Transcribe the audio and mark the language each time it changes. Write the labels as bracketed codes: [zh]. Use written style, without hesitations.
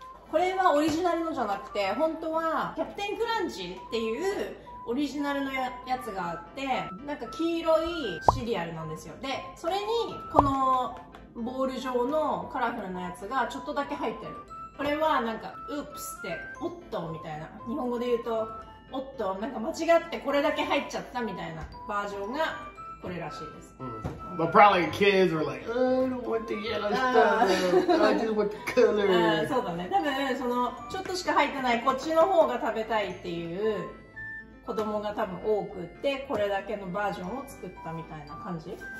[ja] これはオリジナルのじゃなくて、本当はキャプテンクランチっていうオリジナルの やつがあって、なんか黄色いシリアルなんですよ。でそれにこのボール状のカラフルなやつがちょっとだけ入ってる。これはなんかウープスってオットーみたいな、日本語で言うとオットー、なんか間違ってこれだけ入っちゃったみたいなバージョンがこれらしいです。 [en] まあ probably kids are like I don't want the yellow stuff, I just want the color. [ja] そうだね、多分そのちょっとしか入ってないこっちの方が食べたいっていう子供が多分多くって、これだけのバージョンを作ったみたいな感じ。